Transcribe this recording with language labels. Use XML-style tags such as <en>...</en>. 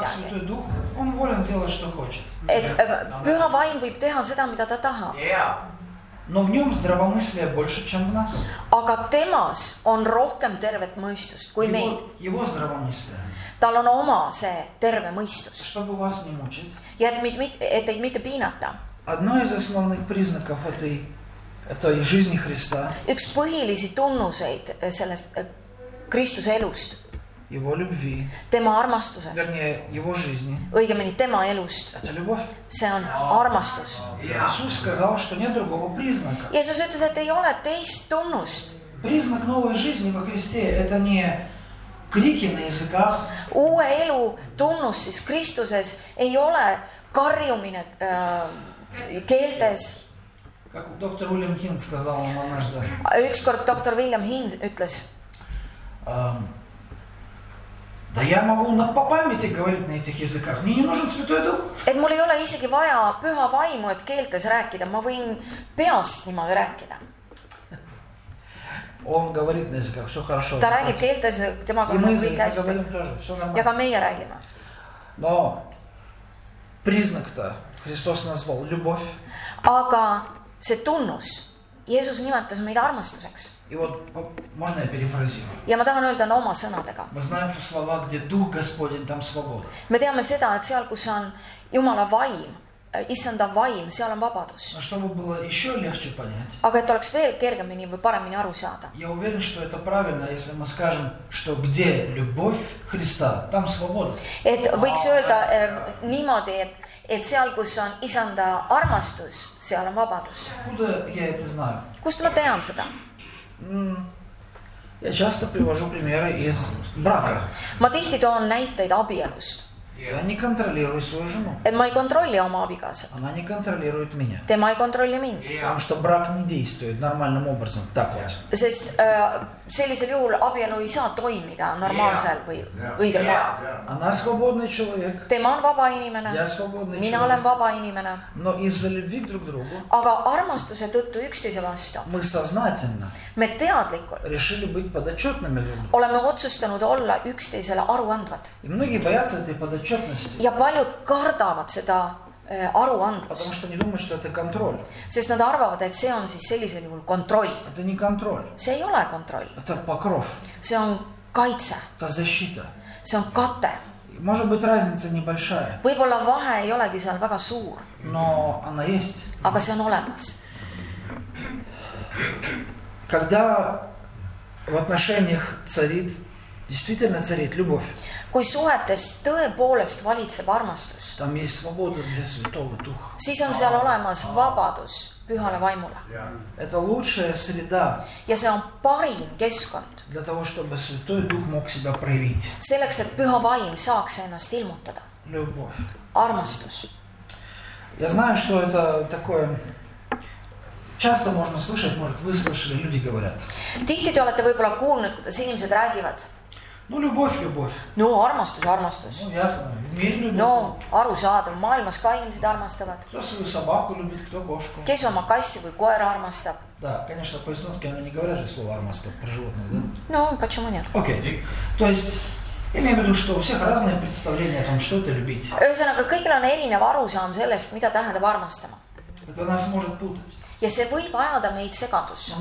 <ru>Как святой дух, он волен делать, что хочет.</ru> <et>Et püha vaim võib teha seda, mida ta tahab.</et> <ru>Но в нём здравомыслие больше, чем в нас.</ru> <et>Aga temas on rohkem tervet mõistust kui meil.</et> <ru>Его здравомыслие.</ru> <et>Tal on oma see terve mõistus.</et> <ru>Чтобы вас не мучить.</ru> <et>Ja et teid mitte piinata.</et> <ru>Одно из основных признаков этой жизни Христа.</ru> <et>Üks põhilisi tunnuseid sellest Kristuse elust.</et> <ru>Его любви.</ru> <et>Tema armastusest.</et> <ru>Вернее, его жизни.</ru> <et>Õigemini tema elust.</et> <ru>Это любовь.</ru> <et>See on armastus.</et> <ru>Иисус сказал, что нет другого признака.</ru> <et>Jeesus ütles, et ei ole teist tunnust.</et> <ru>Признак новой жизни во Христе – это не крики на языках.</ru> <et>Uue elu tunnus siis Kristuses ei ole karjumine keeltes.</et> <ru>Как доктор Уильям Хин сказал вам однажды.</ru> <et>Ükskord доктор Уильям Хин ütles.</et> <ru>Да я могу по памяти говорить на этих языках. Мне не нужен Святой Дух.</ru> <et>Et mul ei ole isegi vaja püha vaimu, et keeltes rääkida. Ma võin peast niimoodi rääkida.</et> <ru>Он говорит на языках, все хорошо.</ru> <et>Ta räägib keeltes, temaga on kõik hästi. Ja ka meie räägime.</et> <ru>Но признак-то Христос назвал любовь.</ru> <et>Aga see tunnus. Jeesus nimetas meid armastuseks.</et> <ru>И вот можно я перефразирую.</ru> <et>Ja ma tahan öelda oma sõnadega.</et> <ru>Мы знаем слова, где Дух Господень, там свобода.</ru> <et>Me teame seda, et seal, kus on Jumala vaim, Issanda vaim, seal on vabadus.</et> <ru>Но чтобы было еще легче понять.</ru> <et>Aga et oleks veel kergemini või paremini aru saada.</et> <ru>Я уверен, что это правильно, если мы скажем, что где любовь Христа, там свобода.</ru> <et>Et võiks öelda niimoodi, et seal, kus on Isanda armastus, seal on vabadus. Kuda</et> <ru>я это знаю?</ru> <et>Kust ma tean seda?</et> <ru>Я часто привожу примеры из брака.</ru> <et>Ma tihti toon näiteid abielust. Et ma ei kontrolli oma abikaasat.</et> <ru>Она не контролирует меня.</ru> <et>Tema ei kontrolli mind.</et> <ru>Потому что брак не действует нормальным образом. Так вот.</ru> <et>Sest sellisel juhul abielu ei saa toimida normaalselt või õigel moel.</et> <ru>Она свободный человек.</ru> <et>Tema on vaba inimene.</et> <ru>Я свободный</ru> <et>Mina</et> <ru>человек.</ru> <et>Olen vaba inimene.</et> <ru>Но из-за любви друг другу.</ru> <et>Aga armastuse tõttu üksteise vastu.</et> <ru>Мы сознательно.</ru> <et>Me teadlikult.</et> <ru>Решили быть подотчетными.</ru> <et>Oleme otsustanud olla üksteisele aruandvad.</et> <ru>И многие боятся этой подотчетности.</ru> <et>Ja paljud kardavad seda aruandlust.</et> <ru>Потому что они думают, что это контроль.</ru> <et>Sest nad arvavad, et see on siis sellisel juhul kontroll.</et> <ru>Это не контроль.</ru> <et>See ei ole kontroll.</et> <ru>Это покров.</ru> <et>See on kaitse.</et> <ru>Это защита.</ru> <et>See on kate.</et> <ru>Может быть, разница небольшая.</ru> <et>Võib-olla vahe ei olegi seal väga suur.</et> <ru>Но она есть.</ru> <et>Aga see on olemas.</et> <ru>Когда в отношениях царит Действительно царит любовь.</ru> <et>Kui suhetes tõepoolest valitseb armastus.</et> <ru>Там есть свобода для Святого Духа.</ru> <et>Siis on seal olemas vabadus pühale vaimule.</et> <ru>Это лучшая среда.</ru> <et>Ja see on parim keskkond.</et> <ru>Для того, чтобы Святой Дух мог себя проявить.</ru> <et>Selleks, et püha vaim saaks ennast ilmutada.</et> <ru>Любовь.</ru> <et>Armastus.</et> <ru>Я знаю, что это такое... Часто можно слышать, может, вы слышали, люди говорят.</ru> <et>Tihti te olete võib-olla kuulnud, kuidas inimesed räägivad.</et> <ru>Ну, любовь, любовь.</ru> <et>Ну, armastus, armastus.</et> <ru>Ну, ясно. Мир любит.</ru> <et>Ну, aru saada. Maailmas ka inimesed armastavad.</et> <ru>Кто свою собаку любит, кто кошку.</ru> <et>Kes oma kassi või koera armastab.</et> <ru>Да, конечно, по-эстонски она не говорит же слово armastab, про животное, да? Ну, почему нет? Окей. То есть, имею в виду, что у всех разные представления о том, что это любить.</ru> <et>Ühesõnaga, kõigil on erinev aru saam sellest, mida tähendab armastama.</et> <ru>Это нас может путать.</ru> <et>Ja see võib ajada meid segadusse.</et>